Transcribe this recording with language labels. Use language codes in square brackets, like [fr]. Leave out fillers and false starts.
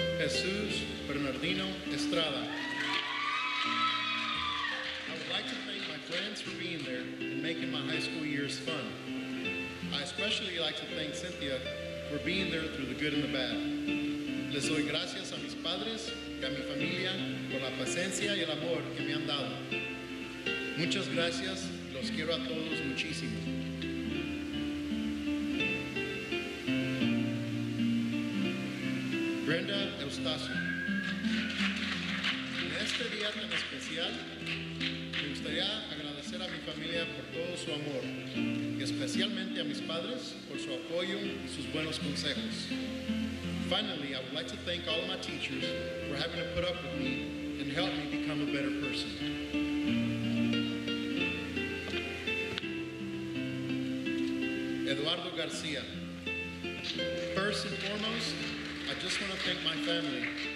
[en] Jesus Bernardino Estrada. I would like to thank my friends for being there and making my high school years fun. I especially like to thank Cynthia for being there through the good and the bad. [es] Les doy gracias a mis padres y a mi familia por la paciencia y el amor que me han dado. Muchas gracias. Los quiero a todos muchísimo. Brenda Eustacio. En este día tan especial, me gustaría agradecer a mi familia por todo su amor, y especialmente a mis padres por su apoyo y sus buenos consejos. [en] Finally, I would like to thank all of my teachers for having to put up with me and help me become a better person. Eduardo Garcia. First and foremost, I just want to thank my family.